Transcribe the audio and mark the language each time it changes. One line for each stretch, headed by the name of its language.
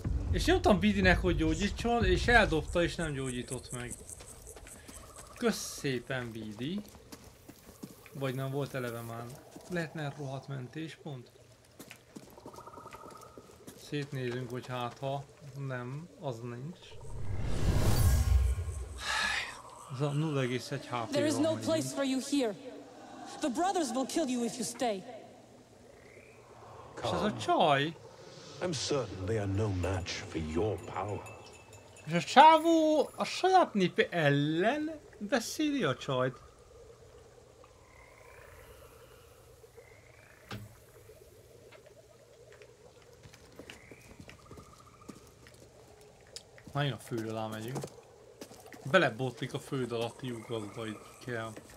Hungarian: És nyomtam Bidinek, hogy gyógyítson, és eldobta, és nem gyógyított meg. Kösz szépen, Bidi. Vagy nem volt eleve már. Lehetne rohadt mentéspont? Szétnézünk, hogy hát ha nem, az nincs. Az a 0,1 HP-ra.
English: There is no place for you here. The brothers will kill you if you stay.
Hungarian: És ez a csaj.
English: I'm certain they are no match for your power.
Hungarian: És a csávó a saját népe ellen beszéli a csajt. Nagyon a föld alá megyünk. Belebotlik a föld alatti lyukakba, itt kell.